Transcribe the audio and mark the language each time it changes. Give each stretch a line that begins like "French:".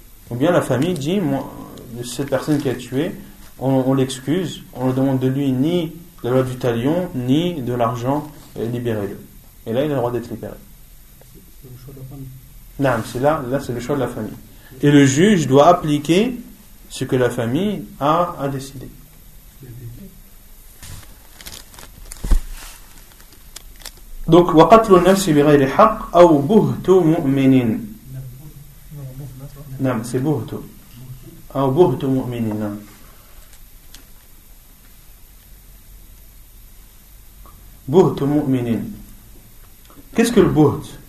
French: Ou bien la famille dit, moi, cette personne qui a tué, on l'excuse, on ne demande de lui ni la loi du talion, ni de l'argent, libérez-le. Et là, il a le droit d'être libéré. C'est le choix de la famille. Non, là, c'est le choix de la famille. Et le juge doit appliquer ce que la famille a décidé.
Arabic: Donc, وَقَتْلُ النَّفْسِ بِغَيْرِ حَقٍّ أَوْ بُهْتُ مُؤْمِنٍ.
French: Non, c'est بُهْتُ.
Arabic: أَوْ بُهْتُ مُؤْمِنٍ. بُهْتُ مُؤْمِنٍ.
French: Qu'est-ce que le بُهْت?